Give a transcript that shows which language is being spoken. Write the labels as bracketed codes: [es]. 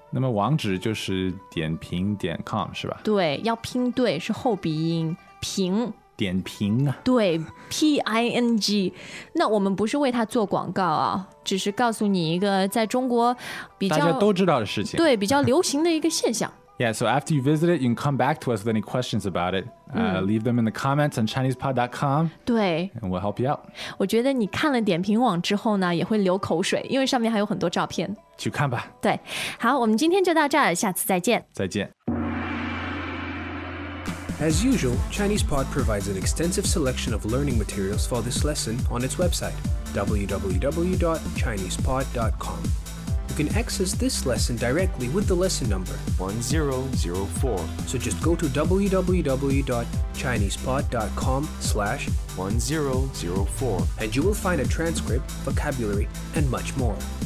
[zh] 那么网址就是dianping.com 是吧？对，要拼，对，是后鼻音评，点评啊。对， P-I-N-G。那我们不是为它做广告啊，只是告诉你一个在中国比较大家都知道的事情，对，比较流行的一个现象。 [en] Yeah, so after you visit it, you can come back to us with any questions about it. Leave them in the comments on ChinesePod.com. [zh] 对。 [en] And we'll help you out. [zh] 我觉得你看了点评网之后呢，也会流口水，因为上面还有很多照片。去看吧。对。好，我们今天就到这儿，下次再见。再见。 [en] As usual, ChinesePod provides an extensive selection of learning materials for this lesson on its website, www.ChinesePod.com. You can access this lesson directly with the lesson number 1004. So just go to www.ChinesePod.com/1004 and you will find a transcript, vocabulary, and much more.